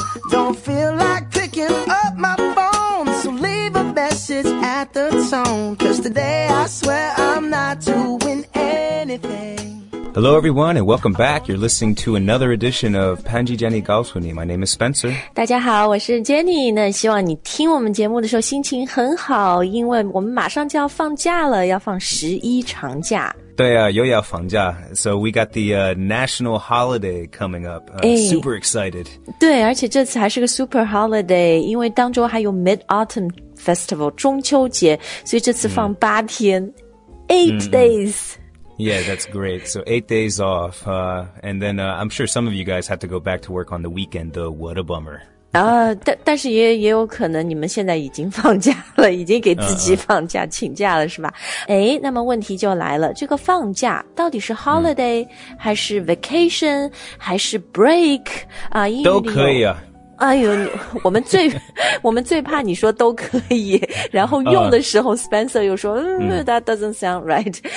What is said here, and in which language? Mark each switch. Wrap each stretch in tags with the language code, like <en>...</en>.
<en>Don't feel like picking up my phone, so leave a message at the tone. 'Cause today I swear I'm not doing anything. Hello, everyone, and welcome back. You're listening to another edition of Panji Jenny</en> <zh>告诉你</zh> <en>My name is Spencer.</en> <zh>大家好，我是 Jenny。那希望你听我们节目的时候心情很好，因为我们马上就要放假了，要放十一长假。对啊，又要放假。</zh> <en>So we got the national holiday coming up. Super excited.</en> <zh>对，而且这次还是个</zh> <en>super holiday，</en> <zh>因为当中还有</zh> <en>Mid-Autumn Festival</en> <zh>中秋节，所以这次放八天 ，</zh> <en>eight days. Yeah, that's great. So 8 days off. And then I'm sure some of you guys had to go back to work on the weekend, though. What a bummer.</en> <zh>但是也有可能你们现在已经放假了，已经给自己放假请假了，是吧？诶，那么问题就来了，这个放假到底是 holiday, 还是 vacation, 还是 break? 都可以啊。哎呦，我们最怕你说都可以，然后用的时候 Spencer 又说</zh> <en>that doesn't sound right.</en>